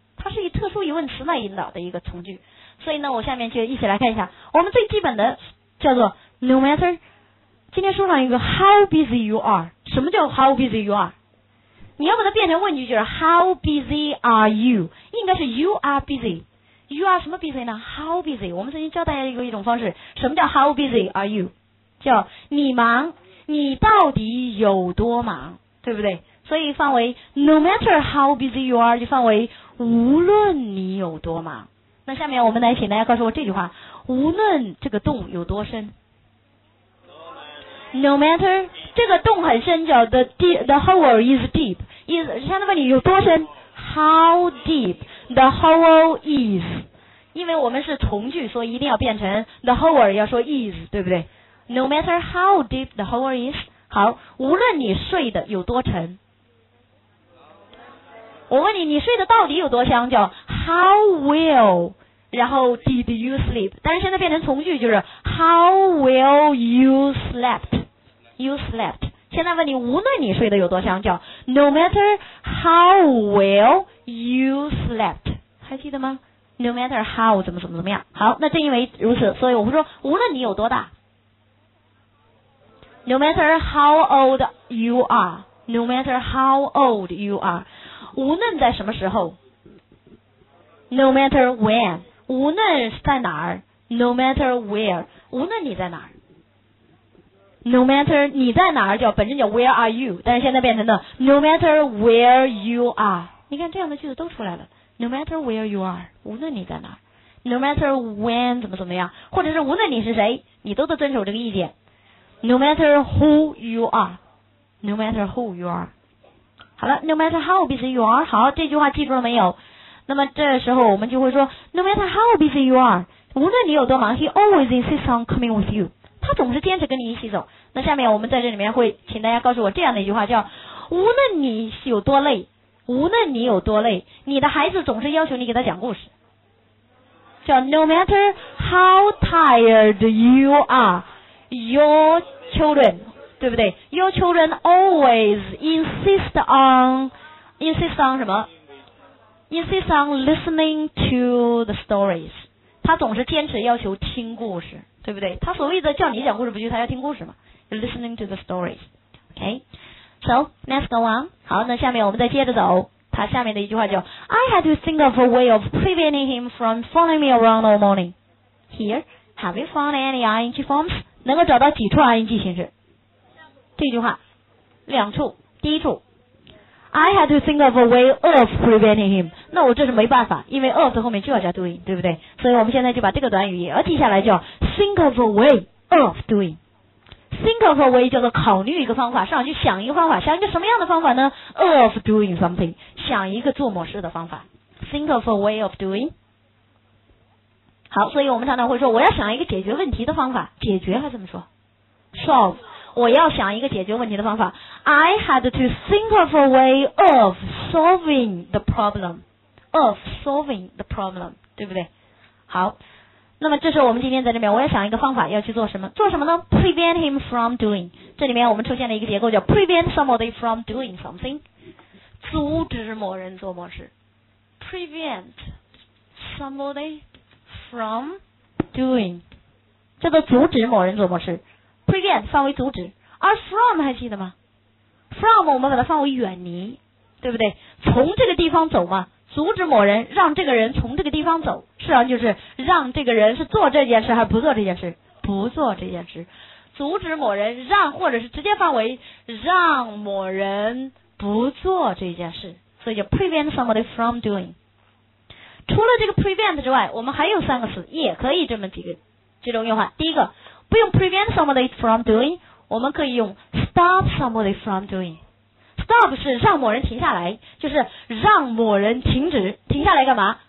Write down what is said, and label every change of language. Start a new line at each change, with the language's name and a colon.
Chinese: 是以特殊疑问词来引导的一个从句。所以呢，我下面就一起来看一下我们最基本的叫做
English: no matter。
Chinese: 今天书上一个
English: how busy you are，
Chinese: 什么叫
English: how busy you are？
Chinese: 你要把它变成问句，就是
English: How busy are you？
Chinese: 应该是
English: You are busy。 You are
Chinese: 什么
English: busy 呢？ How busy？
Chinese: 我们曾经教大家一个一种方式，什么叫
English: How busy are you？
Chinese: 叫你忙，你到底有多忙，对不对？所以范围
English: No matter how busy you are
Chinese: 就范围无论你有多忙。那下面我们来请大家告诉我这句话，无论这个洞有多深。 No matter， 这个洞很深，叫
English: the hole is deep，
Chinese: 意思相当于问你有多深。
English: How deep the hole is，
Chinese: 因为我们是从句，所以一定要变成 the hole 要说 is， 对不对？
English: No matter how deep the hole is，
Chinese: 好，无论你睡的有多沉，我问你，你睡的到底有多香，叫 How well， 然后
English: did you sleep，
Chinese: 但是现在变成从句，就是
English: How well you sleptYou slept。
Chinese: 现在问你无论你睡得有多香，叫
English: No matter how well you slept，
Chinese: 还记得吗？ No matter how 怎么怎么怎么样。好，那正因为如此，所以我们说无论你有多大，
English: No matter how old you are，
Chinese: No matter how old you are， 无论在什么时候， No matter when， 无论在哪儿， No matter where， 无论你在哪儿。 No matter 你在哪儿，叫本身叫 Where are you， 但是现在变成了
English: No matter where you are。
Chinese: 你看这样的句子都出来了，
English: No matter where you are，
Chinese: 无论你在哪儿， No matter when 怎么怎么样，或者是无论你是谁，你都得遵守这个意见。
English: No matter who you are， No matter who you are。
Chinese: 好了，
English: No matter how busy you are，
Chinese: 好，这句话记住了没有？那么这时候我们就会说
English: No matter how busy you are，
Chinese: 无论你有多忙，
English: He always insists on coming with you，
Chinese: 他总是坚持跟你一起走。那下面我们在这里面会请大家告诉我这样的一句话，叫无论你有多累，无论你有多累，你的孩子总是要求你给他讲故事，叫
English: No matter how tired you are，
Chinese: your children， 对不对？
English: Your children always insist on
Chinese: 什么？
English: Insist on listening to the stories。
Chinese: 他总是坚持要求听故事，对不对？他所谓的叫你讲故事，不就是他要听故事吗？
English: You're listening to the stories。 OK， so let's go on。
Chinese: 好，那下面我们再接着走，他下面的一句话叫
English: I had to think of a way of preventing him from following me around all morning。 Here have you found any ing forms？
Chinese: 能够找到几处 ing 形式？这句话两处，第一处
English: I had to think of a way of preventing him，
Chinese: 那我这是没办法，因为 of 后面就要加 doing， 对不对？所以我们现在就把这个短语也要记下来，叫Think of a way of doing。 Think of a way 叫做考虑一个方法，上去想一个方法，想一个什么样的方法呢？
English: Of doing something， 想一个做某事的方法。 Think of a way of doing。
Chinese: 好，所以我们常常会说我要想一个解决问题的方法，解决还怎么说？
English: Solve。
Chinese: 我要想一个解决问题的方法，
English: I had to think of a way of solving the problem， of solving the problem， 对不对？
Chinese: 好，那么这时候我们今天在这边，我要想一个方法要去做什么，做什么呢？
English: Prevent him from doing。
Chinese: 这里面我们出现了一个结构，叫 Prevent somebody from doing something， 阻止某人做某事。 Prevent somebody from doing 这个阻止某人做某事。 Prevent 范围阻止，而 from 还记得吗？From 我们把它范围远离，对不对？从这个地方走嘛，阻止某人，让这个人从这个地方走，实际上就是让这个人是做这件事还是不做这件事？不做这件事。阻止某人，让或者是直接范围，让某人不做这件事，所以叫 prevent somebody from doing。除了这个 prevent 之外，我们还有三个词也可以这么几个这种用法。第一个，不用 prevent somebody from doing， 我们可以用 stop somebody from doing。 Stop 是让某人停下来，就是让某人停止，停下来干嘛？